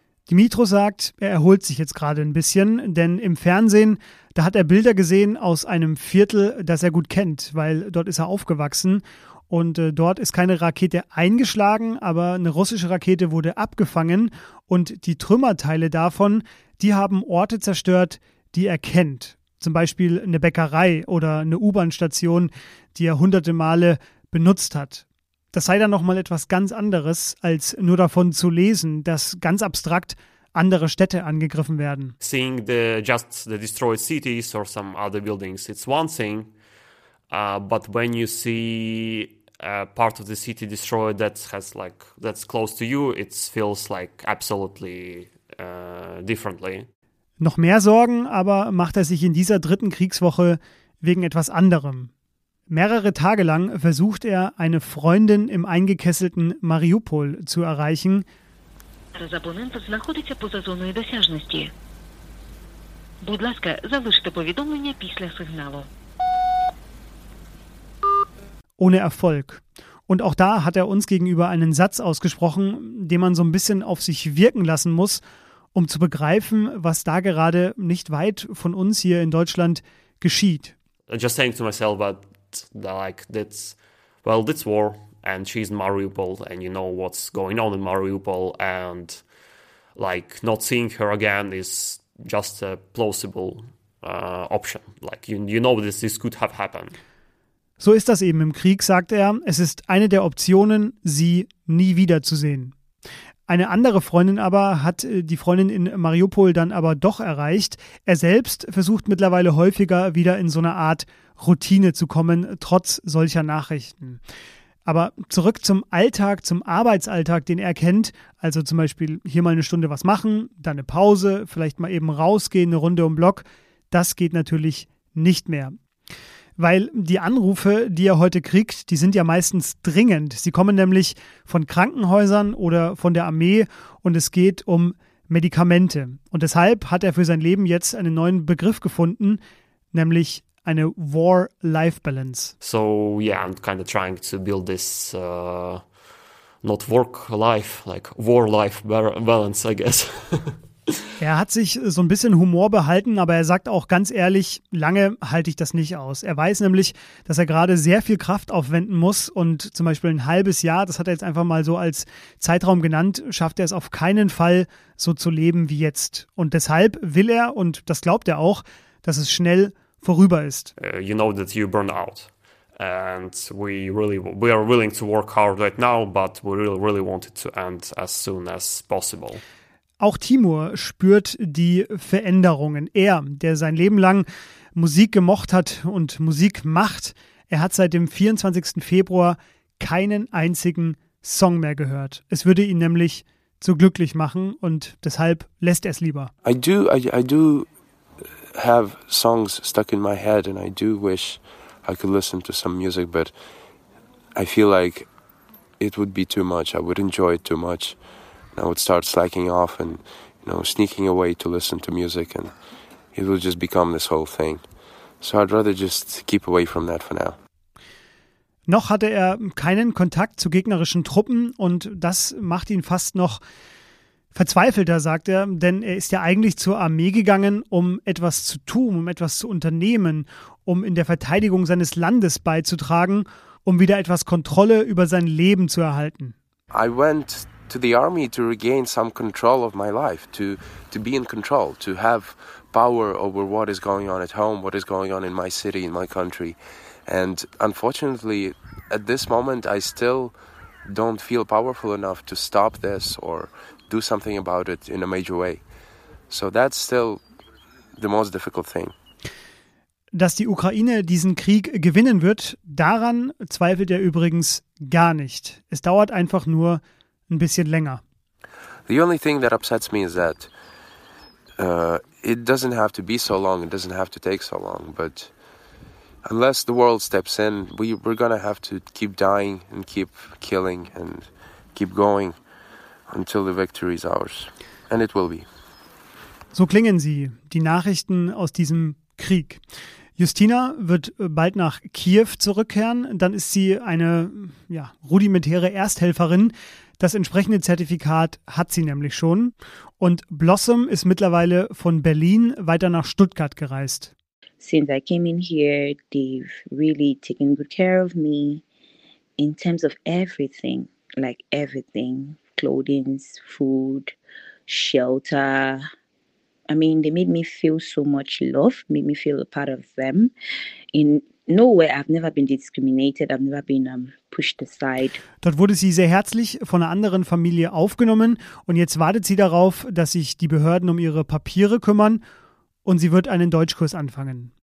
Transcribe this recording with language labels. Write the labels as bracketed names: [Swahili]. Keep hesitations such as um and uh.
[German] Dimitro sagt, er erholt sich jetzt gerade ein bisschen, denn im Fernsehen, da hat er Bilder gesehen aus einem Viertel, das er gut kennt, weil dort ist er aufgewachsen und äh, dort ist keine Rakete eingeschlagen, aber eine russische Rakete wurde abgefangen und die Trümmerteile davon, die haben Orte zerstört, die er kennt. Zum Beispiel eine Bäckerei oder eine U-Bahn-Station, die er hunderte Male benutzt hat. Das sei dann nochmal etwas ganz anderes, als nur davon zu lesen, dass ganz abstrakt andere Städte angegriffen werden. [English] Seeing the just the destroyed cities or some other buildings, it's one thing. Uh, but when you see uh, part of the city destroyed that has like that's close to you, it feels like absolutely uh, differently. [German] Noch mehr Sorgen aber macht er sich in dieser dritten Kriegswoche wegen etwas anderem. Mehrere Tage lang versucht er, eine Freundin im eingekesselten Mariupol zu erreichen. [Ukrainian] Зараз абонент знаходиться поза зоною досяжності. Будь ласка, залиште повідомлення після сигналу. [German] Ohne Erfolg. Und auch da hat er uns gegenüber einen Satz ausgesprochen, den man so ein bisschen auf sich wirken lassen muss, um zu begreifen, was da gerade nicht weit von uns hier in Deutschland geschieht. [English] Just saying to myself, but like that's well, that's war, and she's in Mariupol, and you know what's going on in Mariupol, and like not seeing her again is just a plausible uh, option. Like you, you know this this could have happened. [German] So ist das eben im Krieg, sagt er. Es ist eine der Optionen, sie nie wiederzusehen. Eine andere Freundin aber hat die Freundin in Mariupol dann aber doch erreicht. Er selbst versucht mittlerweile häufiger wieder in so eine Art Routine zu kommen, trotz solcher Nachrichten. Aber zurück zum Alltag, zum Arbeitsalltag, den er kennt. Also zum Beispiel hier mal eine Stunde was machen, dann eine Pause, vielleicht mal eben rausgehen, eine Runde um Block. Das geht natürlich nicht mehr weil die Anrufe, die er heute kriegt, die sind ja meistens dringend. Sie kommen nämlich von Krankenhäusern oder von der Armee und es geht um Medikamente. Und deshalb hat er für sein Leben jetzt einen neuen Begriff gefunden, nämlich eine War-Life-Balance. [English] So yeah, I'm kind of trying to build this uh, not work-life, like war-life-balance, I guess. [German] Er hat sich so ein bisschen Humor behalten, aber er sagt auch ganz ehrlich, lange halte ich das nicht aus. Er weiß nämlich, dass er gerade sehr viel Kraft aufwenden muss und zum Beispiel ein halbes Jahr, das hat er jetzt einfach mal so als Zeitraum genannt, schafft er es auf keinen Fall so zu leben wie jetzt. Und deshalb will er, und das glaubt er auch, dass es schnell vorüber ist. [English] Uh, you know that you burn out. And we really we are willing to work hard right now, but we really, really want it to end as soon as possible. [German] Auch Timur spürt die Veränderungen. Er, der sein Leben lang Musik gemocht hat und Musik macht, er hat seit dem 24. Februar keinen einzigen Song mehr gehört. Es würde ihn nämlich zu glücklich machen und deshalb lässt er es lieber. [English] I do, I, I do have songs stuck in my head and I do wish I could listen to some music, but I feel like it would be too much. I would enjoy it too much. I would start slacking off and you know sneaking away to listen to music and it will just become this whole thing. So I'd rather just keep away from that for now. [German] Noch hatte er keinen Kontakt zu gegnerischen Truppen und das macht ihn fast noch verzweifelter, sagt er, denn er ist ja eigentlich zur Armee gegangen, um etwas zu tun, um etwas zu unternehmen, um in der Verteidigung seines Landes beizutragen, um wieder etwas Kontrolle über sein Leben zu erhalten. [English] I went to the army to regain some control of my life, to, to be in control, to have power over what is going on at home, what is going on in my city, in my country. And unfortunately, at this moment, I still don't feel powerful enough to stop this or do something about it in a major way. So that's still the most difficult thing. [German] Dass die Ukraine diesen Krieg gewinnen wird, daran zweifelt er übrigens gar nicht. Es dauert einfach nur ein bisschen länger. [English] The only thing that upsets me is that uh, it doesn't have to be so long, it doesn't have to take so long, but unless the world steps in, we, we're gonna have to keep dying and keep killing and keep going until the victory is ours. And it will be. [German] So klingen sie, die Nachrichten aus diesem Krieg. Justina wird bald nach Kiew zurückkehren. Dann ist sie eine ja, rudimentäre Ersthelferin. Das entsprechende Zertifikat hat sie nämlich schon. Und Blossom ist mittlerweile von Berlin weiter nach Stuttgart gereist. [English] Since I came in here, they've really taken good care of me in terms of everything, like everything, clothing, food, shelter, I mean, they made me feel so much love, made me feel a part of them. In nowhere, I've never been discriminated, I've never been um, pushed aside. [German] Dort wurde sie sehr herzlich von einer anderen Familie aufgenommen und jetzt wartet sie darauf, dass sich die Behörden um ihre Papiere kümmern und sie wird einen Deutschkurs anfangen.